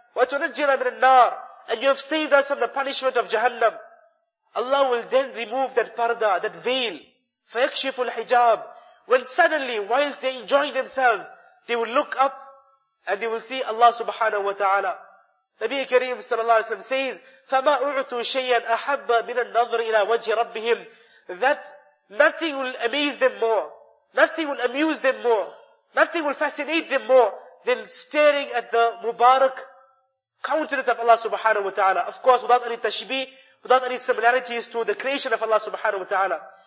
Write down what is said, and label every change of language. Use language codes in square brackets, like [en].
[ar] وَتُنَجِّنَا مِنَ النَّارِ, [en] and you have saved us from the punishment of Jahannam. Allah will then remove that parda, that veil. [ar] فَيَكْشِفُ الْحِجَابِ, [en] when suddenly, whilst they enjoy themselves, they will look up and they will see Allah subhanahu wa ta'ala. Nabi Kareem sallallahu alayhi wa sallam says, [ar] فَمَا أُعْتُوا شَيْئًا أَحَبَّ مِنَ النَّظْرِ إِلَى وَجْهِ رَبِّهِمْ. [en] That nothing will amaze them more, nothing will amuse them more, nothing will fascinate them more than staring at the Mubarak countenance of Allah subhanahu wa ta'ala. Of course, without any tashbih, without any similarities to the creation of Allah subhanahu wa ta'ala.